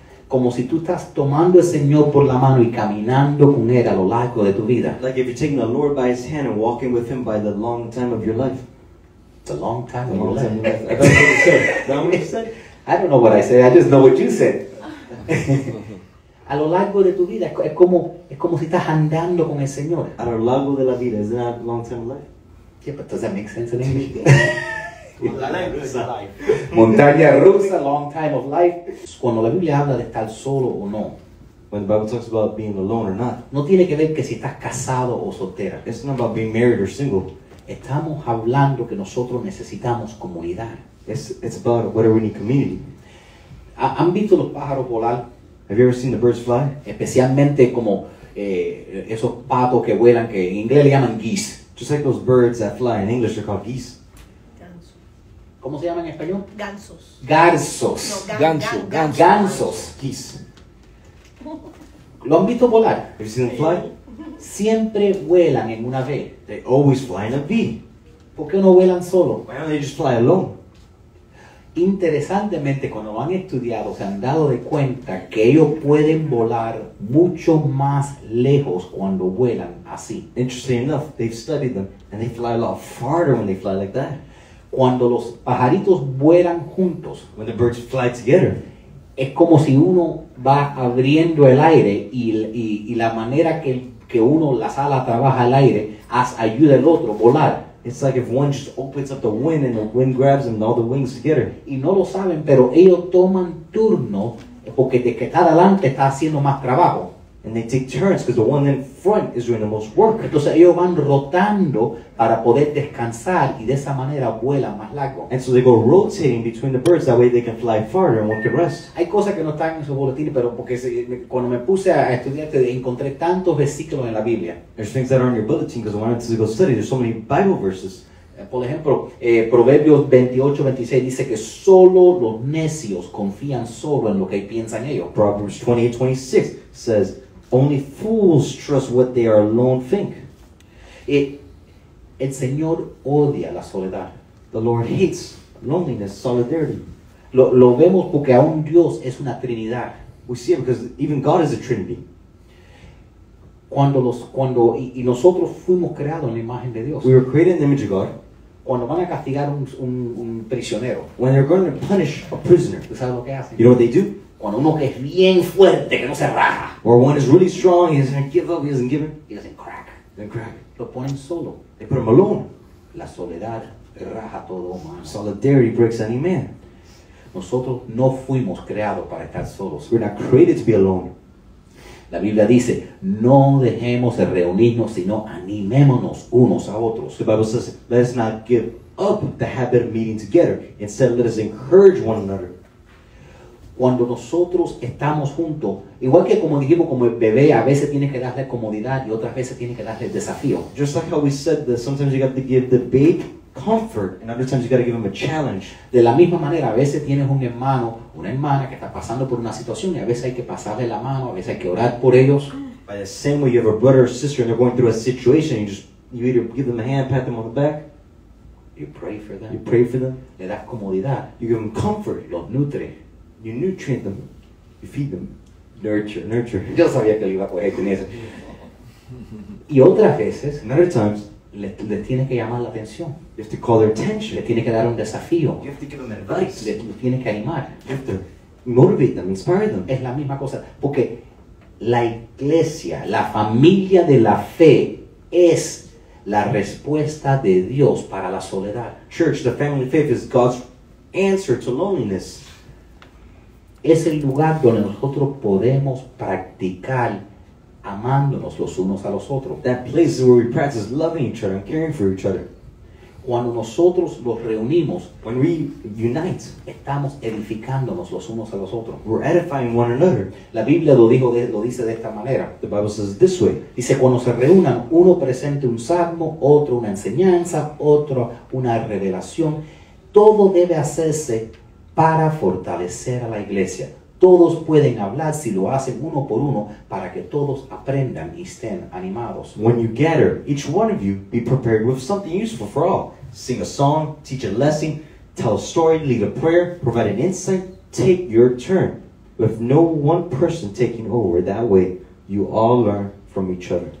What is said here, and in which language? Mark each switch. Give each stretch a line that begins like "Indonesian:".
Spanish: Como si tú estás tomando el Señor por la mano y caminando con Él a lo largo de tu vida.
English: Like if you're taking the Lord by His hand and walking with Him by the long time of your life. The long time of your life. I thought what you said. I don't know what I said. I just know what you said.
Spanish: A lo largo de tu vida. Es como si estás andando con el Señor. A lo largo de la vida.
English: Isn't that long time of life? Yeah, but does that make sense in English?
Spanish: Montaña rusa,
English: long time of life.
Spanish: Cuando la Biblia habla de estar solo o no,
English: when the Bible talks about being alone or not,
Spanish: no tiene que ver que si estás casado o soltera.
English: It's not about being married or single.
Spanish: Estamos hablando que nosotros necesitamos comunidad.
English: It's about whether we need community.
Spanish: ¿Han visto los pájaros volar?
English: Have you ever seen the birds fly?
Spanish: Especialmente como esos patos que vuelan, que en inglés le llaman geese.
English: Just like those birds that fly in English are called geese.
Spanish: Gansos. ¿Cómo se llama en español? Gansos. Garzos. No, gansos. Gansos. Gansos.
English: Geese.
Spanish: ¿Lo han visto volar?
English: Have you seen them fly?
Spanish: Siempre vuelan en una V.
English: They always fly in a V.
Spanish: ¿Por qué no vuelan solo?
English: Why don't they just fly alone?
Spanish: Interesantemente, cuando lo han estudiado, se han dado de cuenta que ellos pueden volar mucho más lejos cuando vuelan así.
English: Interesting enough, they've studied them and they fly a lot farther when they fly like that.
Spanish: Cuando los pajaritos vuelan juntos,
English: when the birds fly together,
Spanish: es como si uno va abriendo el aire y la manera que uno las alas trabaja el aire ayuda al otro a volar.
English: It's like if one just opens up the wind and the wind grabs them and all the wings together.
Spanish: Y no lo saben, pero ellos toman turno porque de que está adelante está haciendo más trabajo.
English: And they take turns because the one in front is doing the most work.
Spanish: Entonces ellos van rotando para poder descansar y de esa manera vuelan más largo.
English: And so they go rotating between the birds, that way they can fly farther and one can rest.
Spanish: Hay cosas que no están en su boletín, pero porque cuando me puse a estudiar encontré tantos versículos en la Biblia.
English: There's things that are on your bulletin because I wanted to go study. There's so many Bible verses.
Spanish: Por ejemplo, Proverbios 28:26 dice que solo los necios confían solo en lo que piensan ellos.
English: Proverbs 28:26 says, only fools trust what they are alone think.
Spanish: El Señor odia la soledad.
English: The Lord hates loneliness, solidarity.
Spanish: Lo vemos porque aún Dios es una Trinidad.
English: We see it because even God is a Trinity.
Spanish: Cuando nosotros fuimos creados en la imagen de Dios.
English: We were created in the image of God.
Spanish: Cuando van a castigar un prisionero.
English: When they're going to punish a prisoner.
Spanish: ¿Tú sabes lo que hacen?
English: You know what they do?
Spanish: Cuando uno que es bien fuerte, que no se raja.
English: Or one is really strong, he doesn't give up, he doesn't give in. He doesn't crack. They crack.
Spanish: Lo ponen solo.
English: They put him alone.
Spanish: La soledad raja todo humano.
English: Solidarity breaks any man.
Spanish: Nosotros no fuimos creados para estar solos.
English: We're not created to be alone.
Spanish: La Biblia dice, no dejemos de reunirnos, sino animémonos unos a otros.
English: The Bible says, let us not give up the habit of meeting together. Instead, let us encourage one another.
Spanish: Cuando nosotros estamos juntos, igual que como dijimos, como el bebé, a veces tiene que darle comodidad y otras veces tiene que darle desafío.
English: Just like how we said that sometimes you got to give the baby comfort and other times you got to give him a challenge.
Spanish: De la misma manera, a veces tienes un hermano, una hermana que está pasando por una situación y a veces hay que pasarle la mano, a veces hay que orar por ellos.
English: By the same way, you have a brother or sister and they're going through a situation, you either give them a hand, pat them on the back. You pray for them. You pray for them.
Spanish: Le das comodidad.
English: You give them comfort.
Spanish: Los nutre.
English: You nutrient them. You feed them. Nurture. Nurture.
Spanish: Yo sabía que lo iba a coger con eso. Y otras veces,
English: and other times,
Spanish: le tiene que llamar la atención.
English: You have to call their attention.
Spanish: Le tiene que dar un desafío.
English: You have to give them advice.
Spanish: Le tiene que animar.
English: You have to motivate them, inspire them.
Spanish: Es la misma cosa. Porque la iglesia, la familia de la fe, es la respuesta de Dios para la soledad.
English: Church, the family faith is God's answer to loneliness.
Spanish: Es el lugar donde nosotros podemos practicar amándonos los unos a los otros.
English: That place is where we practice loving each other and caring for each other.
Spanish: Cuando nosotros los reunimos,
English: when we unite,
Spanish: estamos edificándonos los unos a los otros.
English: We're edifying one another.
Spanish: La Biblia lo dice de esta manera.
English: The Bible says it this way.
Spanish: Dice, cuando se reúnan, uno presente un salmo, otro una enseñanza, otro una revelación. Todo debe hacerse para fortalecer a la iglesia. Todos pueden hablar si lo hacen uno por uno para que todos aprendan y estén animados.
English: When you gather, each one of you be prepared with something useful for all. Sing a song, teach a lesson, tell a story, lead a prayer, provide an insight, take your turn. With no one person taking over, that way you all learn from each other.